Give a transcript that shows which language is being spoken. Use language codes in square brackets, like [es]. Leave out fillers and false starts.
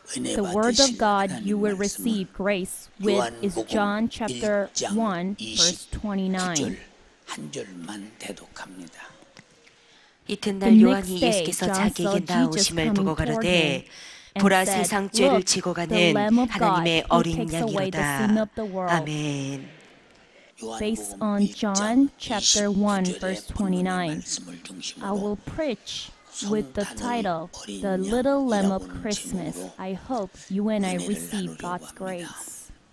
[en] The word of God you will receive grace with is John chapter 1, verse 29. [ko] 한 절만 대독합니다. 이튿날 요한이 예수께서 자기에게 나오심을 보고 가로되 보라 세상 죄를 지고 가는 하나님의 어린 양이로다. 아멘. [en] Based on John chapter 1 verse 29, I will preach with the title The Little Lamb of Christmas. I hope you and I receive God's grace.